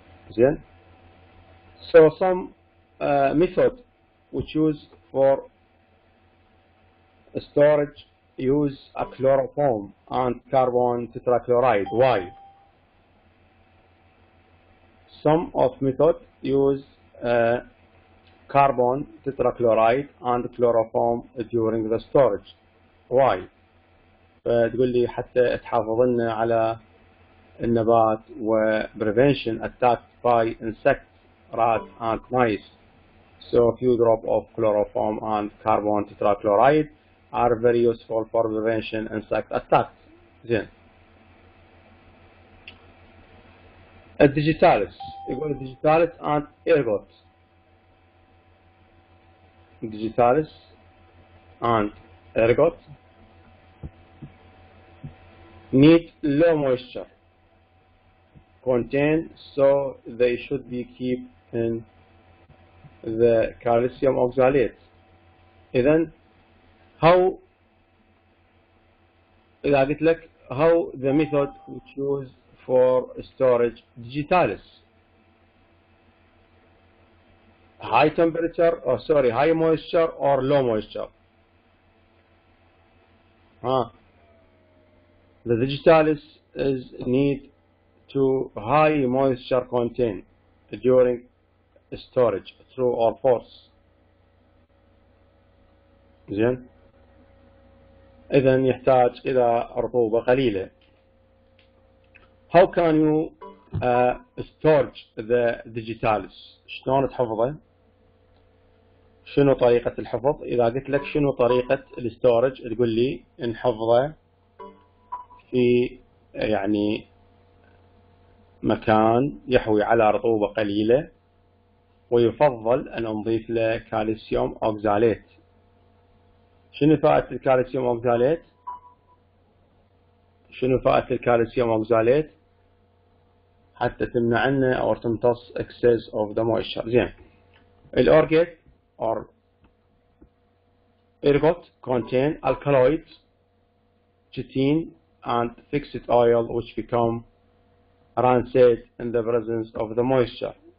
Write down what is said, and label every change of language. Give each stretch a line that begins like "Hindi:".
Arabic: زين.
English: So some method we choose for storage use a chloroform and carbon tetrachloride. Why? Some of method use carbon tetrachloride and chloroform during the storage. Why?
Arabic: فتقول لي حتى تحافظ لنا على النبات و
English: prevention attacked by insects, rats and mice. So few drop of chloroform and carbon tetrachloride are very useful for prevention insect attacks.
Arabic: زين. الديجيتاليس، يقول الديجيتاليس
English: and ergot. الديجيتاليس and ergot need low moisture contain, so they should be keep in the calcium oxalate.
Arabic: إذن
English: how
Arabic: إذا قلت لك
English: how the method we choose for storage digitalis high temperature or sorry high moisture or low moisture. The digitalis is need to high moisture content during storage true or false.
Arabic: زين اذا يحتاج الى رطوبه قليله.
English: How can you storage the digitalis؟
Arabic: شلون تحفظه؟ شنو طريقة الحفظ؟ إذا قلت لك شنو طريقة الستورج تقول لي نحفظه في يعني مكان يحوي على رطوبة قليلة، ويفضل أن نضيف له كالسيوم أوكساليت. شنو فائدة الكالسيوم أوكساليت؟ شنو فائدة الكالسيوم أوكساليت؟ حتى تمنع لنا أو تمتص
English: excess of the moisture.
Arabic: زين
English: الأورجيت or ergot contain alkaloids, chitin and fixed oil which become rancid in the presence of the moisture.